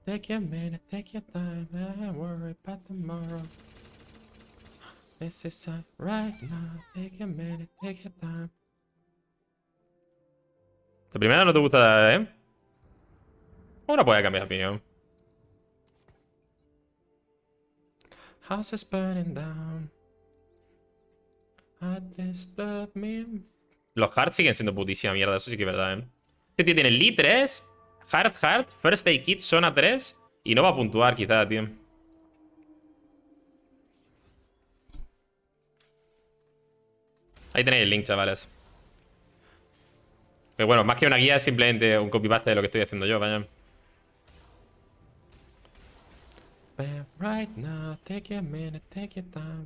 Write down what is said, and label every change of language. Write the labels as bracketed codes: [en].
[en] Take your minute, take your time. Don't worry about tomorrow. Let's stop right now. Take your minute, take your time. [es] La primera no te gusta, ¿eh? Ahora puede cambiar de opinión. [en] House is burning down. I disturb me. [es] Los hearts siguen siendo putísima mierda. Eso sí que es verdad, ¿eh? Este tío tiene Lee 3, Heart, Heart, First Aid Kit, Zona 3. Y no va a puntuar, quizá, tío. Ahí tenéis el link, chavales. Pero bueno, más que una guía, es simplemente un copy-paste de lo que estoy haciendo yo, vaya. [en] But right now, take your minute, take your time.